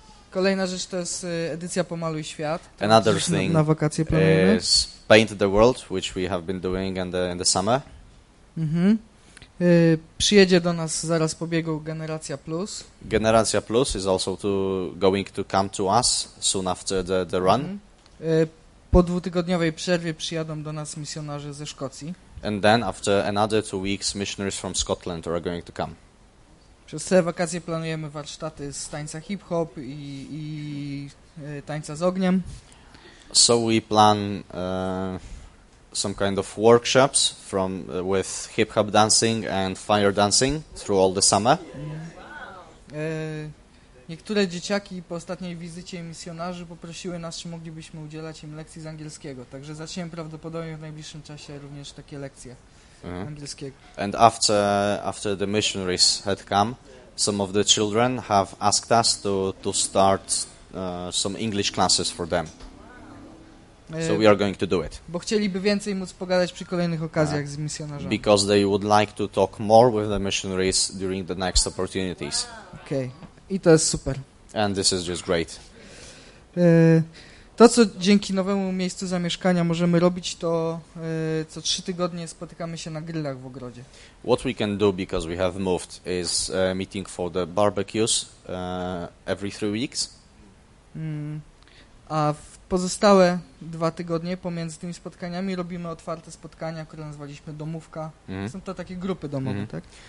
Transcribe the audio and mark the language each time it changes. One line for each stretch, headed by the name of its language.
Polish: Kolejna rzecz to jest edycja Pomaluj Świat.
English: Another thing
Polish: na wakacje planujemy.
English: Is Paint the World, which we have been doing in the summer. Mm-hmm.
Polish: przyjedzie do nas zaraz po biegu Generacja Plus.
English: Generacja Plus is also to going to come to us soon after the run.
Polish: Po dwutygodniowej przerwie przyjadą do nas misjonarze ze Szkocji.
English: And then after another 2 weeks, missionaries from Scotland are going to come.
Polish: Przez te wakacje planujemy warsztaty z tańca hip-hop i tańca z ogniem.
English: So we plan some kind of workshops from with hip-hop dancing and fire dancing through all the summer.
Polish: Niektóre dzieciaki po ostatniej wizycie misjonarzy poprosiły nas, czy moglibyśmy udzielać im lekcji z angielskiego. Także zaczniemy prawdopodobnie w najbliższym czasie również takie lekcje.
English: And after the missionaries had come, some of the children have asked us to start some English classes for them. So we are going to do it.
Polish: Bo chcieliby więcej móc pogadać przy kolejnych okazjach z misjonarzami.
English: Because they would like to talk more with the missionaries during the next opportunities.
Polish: Okay. I to jest super.
English: And this is just great.
Polish: To, co dzięki nowemu miejscu zamieszkania możemy robić, to co 3 tygodnie spotykamy się na grillach w ogrodzie.
English: What we can do because we have moved is meeting for the barbecues every 3 weeks.
Polish: A w pozostałe 2 tygodnie pomiędzy tymi spotkaniami robimy otwarte spotkania, które nazwaliśmy domówka. Są to takie grupy domowe, tak?